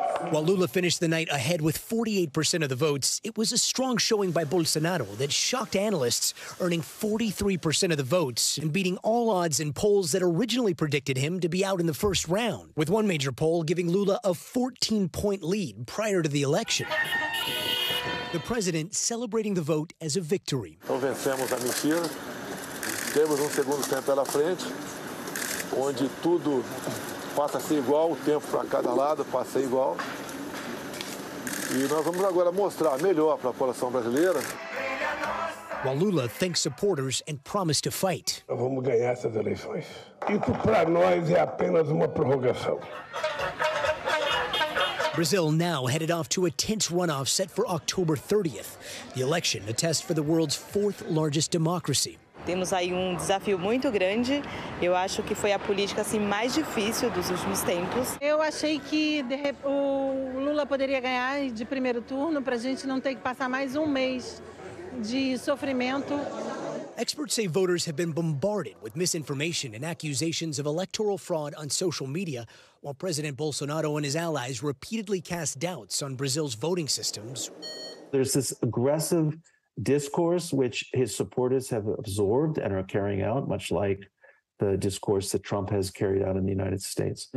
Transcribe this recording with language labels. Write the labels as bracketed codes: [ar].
[en] While Lula finished the night ahead with 48% of the votes, it was a strong showing by Bolsonaro that shocked analysts, earning 43% of the votes and beating all odds in polls that originally predicted him to be out in the first round, with one major poll giving Lula a 14-point lead prior to the election. The president celebrating the vote as a victory. [pt] Então vencemos a mentira. Temos segundo tempo pela frente, onde tudo passa a ser igual, o tempo para cada lado passa a ser igual. E nós vamos agora mostrar melhor para a população brasileira. [en] While Lula thanks supporters and promised to fight. [pt] Nós vamos ganhar essas eleições. Isso para nós é apenas uma prorrogação. [en] Brazil now headed off to a tense runoff set for October 30th. The election, a test for the world's fourth largest democracy. [pt] Temos aí desafio muito grande. Eu acho que foi a política mais difícil dos últimos tempos. Eu achei que o Lula poderia ganhar de primeiro turno para a gente não ter que passar mais um mês de sofrimento. [en] Experts say voters have been bombarded with misinformation and accusations of electoral fraud on social media, while President Bolsonaro and his allies repeatedly cast doubts on Brazil's voting systems. There's this aggressive discourse which his supporters have absorbed and are carrying out, much like the discourse that Trump has carried out in the United States.